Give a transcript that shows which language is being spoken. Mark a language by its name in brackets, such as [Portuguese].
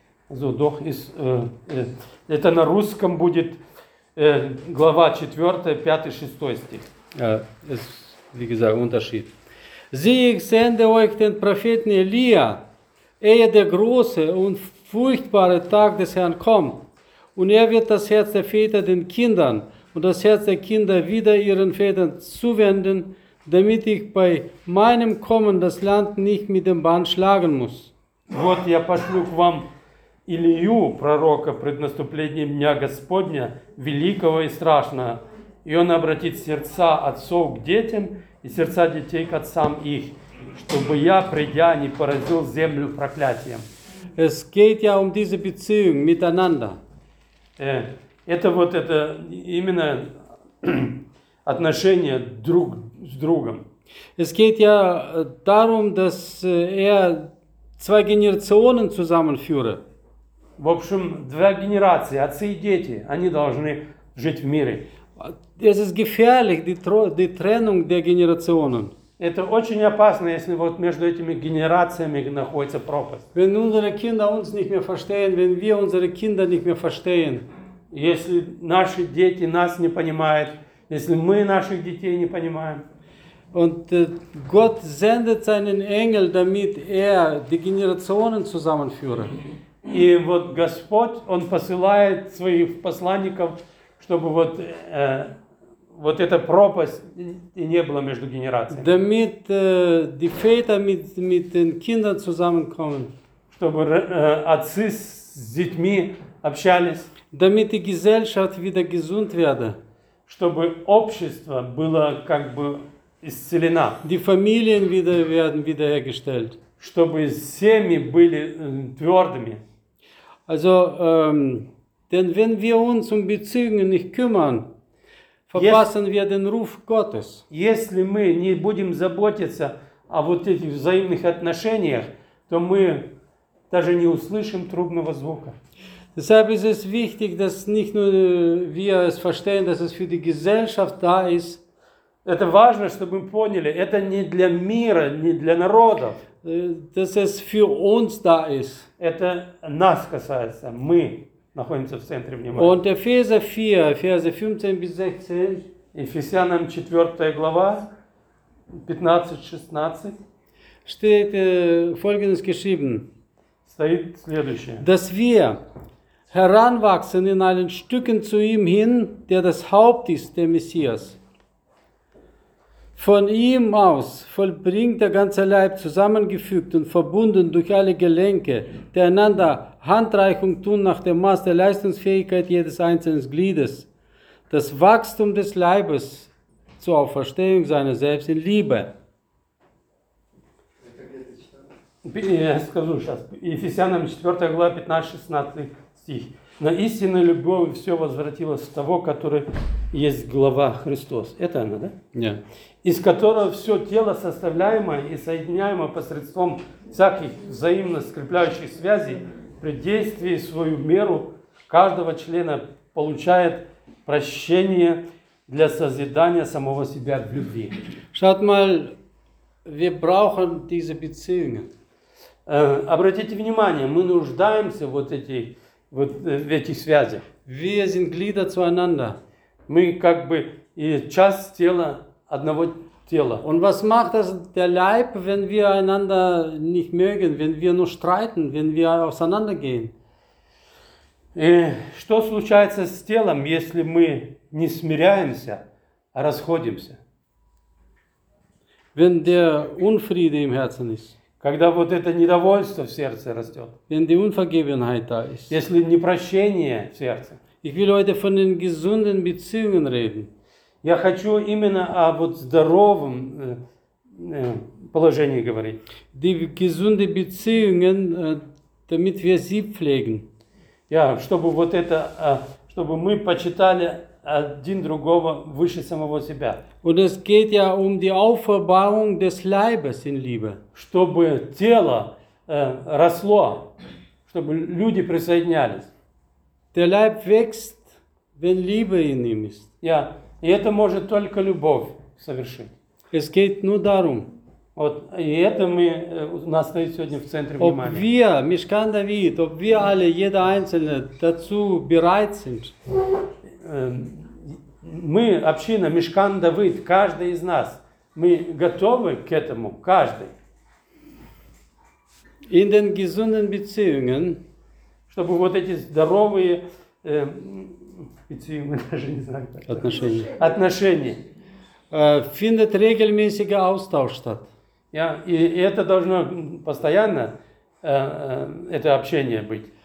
[German] So, doch, ist, [Russian] это на русском будет глава 4, 5, 6 стих. [German] Ja, es ist, wie gesagt, Unterschied. Sieh, ich sende euch den Propheten Elia, ehe der große und furchtbare Tag des Herrn kommt. Und er wird das Herz der Väter den Kindern und das Herz der Kinder wieder ihren Vätern zuwenden, damit ich bei meinem Kommen das Land nicht mit dem Bann schlagen muss. [Russian] Вот я пошлю к вам Илью, пророка, пред наступлением дня Господня, великого и страшного. И он обратит сердца отцов к детям и сердца детей к отцам их, чтобы я, придя, не поразил землю проклятием. [German] Es geht ja um diese Beziehung miteinander. [Russian] Это вот это именно отношение друг с другом. [German] Es geht ja darum, dass zwei Generationen zusammenführe. [Russian] В общем, две генерации, отцы и дети, они должны жить в мире. [German] Es ist gefährlich, die Trennung der Generationen. [Russian] Это очень опасно, если вот между этими генерациями находится пропасть. [German] Wenn unsere Kinder uns nicht mehr verstehen, wenn wir unsere Kinder nicht mehr verstehen. [Russian] Если наши дети нас не понимают, если мы наших детей не понимаем. [German] Und Gott sendet seinen Engel, damit die Generationen zusammenführe. [Russian] И вот Господь, Он посылает своих посланников, чтобы вот... Вот эта пропасть и не было между генерациями. [German] Damit die Väter mit den Kindern zusammenkommen. [Russian] Чтобы отцы с детьми общались. [German] Damit die Gesellschaft wieder gesund werde. [Russian] Чтобы общество было как бы исцелено. [German] Die Familien werden wiederhergestellt. [Russian] Чтобы семьи были твердыми. [German] Also, denn wenn wir uns Beziehungen nicht kümmern, verpassen wir den Ruf Gottes. [Russian] Если мы не будем заботиться о вот этих взаимных отношениях, то мы даже не услышим трубного звука. [German] Deshalb ist es wichtig, dass nicht nur wir es verstehen, dass es für die Gesellschaft da ist. [Russian] Это важно, чтобы мы поняли, это не для мира, не для народов. [German] Dass es für uns da ist. [Russian] Это нас касается, мы. Находимся в центре внимания. [German] Und Epheser 4, Verse 15 bis 16. [Russian] Ephesians 4, глава 15-16. [German] Steht folgendes geschrieben. [Russian] Стоит следующее. [German] Dass wir heranwachsen in allen Stücken zu ihm hin, der das Haupt ist, der Messias. Von ihm aus vollbringt der ganze Leib zusammengefügt und verbunden durch alle Gelenke, die einander Handreichung tun nach dem Maß der Leistungsfähigkeit jedes einzelnen Gliedes, das Wachstum des Leibes zur Auferstehung seiner selbst in Liebe. [Russian] Ephesians 4, 15-16 стих. На истинную любовь все возвратилось в того, который есть глава Христос. Это она, да? Нет. Из которого все тело составляемое и соединяемое посредством всяких взаимно скрепляющих связей при действии свою меру каждого члена получает прощение для созидания самого себя в любви. [German] Schaut mal, wir brauchen diese Beziehungen. [Russian] Обратите внимание, мы нуждаемся в этих связях. [German] Wir sind Glieder zueinander. [Russian] Мы как бы и часть тела одного Тело. [German] Und was macht das der Leib, wenn wir einander nicht mögen, wenn wir nur streiten, wenn wir auseinandergehen? [Russian] Что случается с телом, если мы не смиряемся, а расходимся? [German] Wenn der Unfriede im Herzen ist. [Russian] Когда вот это недовольство в сердце растет. [German] Wenn die Unvergebenheit da ist. [Russian] Если непрощение в сердце. [German] Ich will heute von den gesunden Beziehungen reden. [Russian] Я хочу именно о вот здоровом положении говорить. [German] Die gesunde Beziehungen, damit wir sie pflegen. [Russian] Ja, чтобы вот это, чтобы мы почитали один другого выше самого себя. [German] Und es geht ja um die Aufbauung des Leibes in Liebe. [Russian] Чтобы тело росло, чтобы люди присоединялись. [German] Der Leib wächst, wenn Liebe in ihm ist. Ja. [Russian] И это может только любовь совершить. [German] Es geht nur darum. [Russian] Вот, и это мы, у нас стоит сегодня в центре внимания. [German] Ob wir, Мишкан Давид, ob wir alle, jeder Einzelne, dazu bereit sind. [Russian] Мы, община, Мишкан Давид, каждый из нас, мы готовы к этому, каждый. [German] In den gesunden Beziehungen. [Russian] Чтобы вот эти здоровые... Beziehungen, даже не знаю, как отношения. Отношения. [German] Findet regelmäßiger Austausch statt. [Russian] Ja, и это должно постоянно, это общение быть.